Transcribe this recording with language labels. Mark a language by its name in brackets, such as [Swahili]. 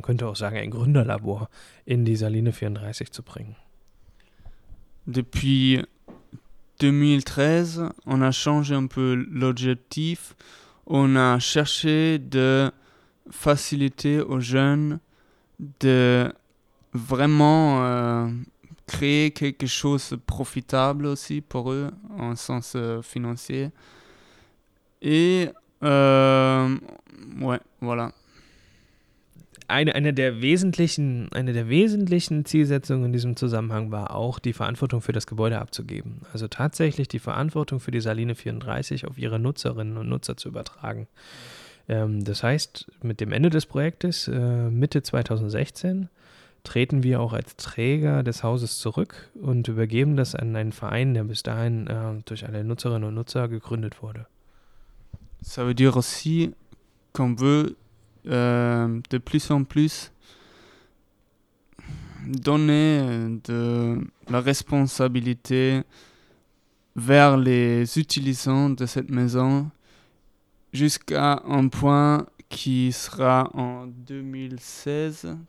[German] Man könnte auch sagen, ein Gründerlabor in die Saline 34 zu bringen. [French] Depuis 2013, on a changé un peu l'objectif. On a cherché de faciliter aux jeunes de vraiment créer quelque chose de profitable aussi pour eux, en sens financier. Et ouais, voilà. [German] Eine der wesentlichen Zielsetzungen in diesem Zusammenhang war auch, die Verantwortung für das Gebäude abzugeben. Also tatsächlich die Verantwortung für die Saline 34 auf ihre Nutzerinnen und Nutzer zu übertragen. Das heißt, mit dem Ende des Projektes, Mitte 2016, treten wir auch als Träger des Hauses zurück und übergeben das an einen Verein, der bis dahin durch alle Nutzerinnen und Nutzer gegründet wurde. [French] Ça veut dire aussi qu'on veut de plus en plus donner de la responsabilité vers les utilisants de cette maison jusqu'à un point qui sera en 2016